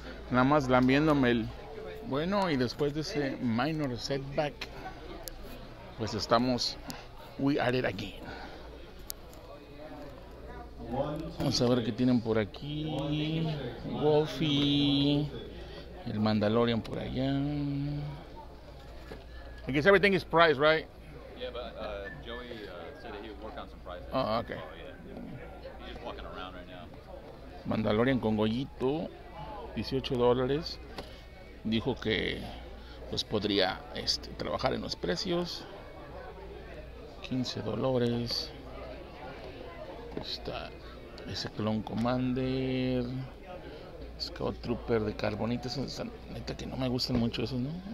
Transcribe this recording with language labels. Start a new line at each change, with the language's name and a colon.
Spanish: Nada más lambiéndome el... bueno, y después de ese minor setback, pues estamos...
English: we are it again.
Spanish: Vamos a ver qué tienen por aquí. Wolfie... el Mandalorian por allá.
English: I guess everything is prized, right? Yeah, but Joey said that he would work on some prizes. Oh, okay. He's just walking around right now.
Spanish: Mandalorian con Goyito, $18. Dijo que pues podría trabajar en los precios. $15. Está ese Clone Commander. Scout Trooper de carbonita, neta que no me gustan mucho esos, ¿no?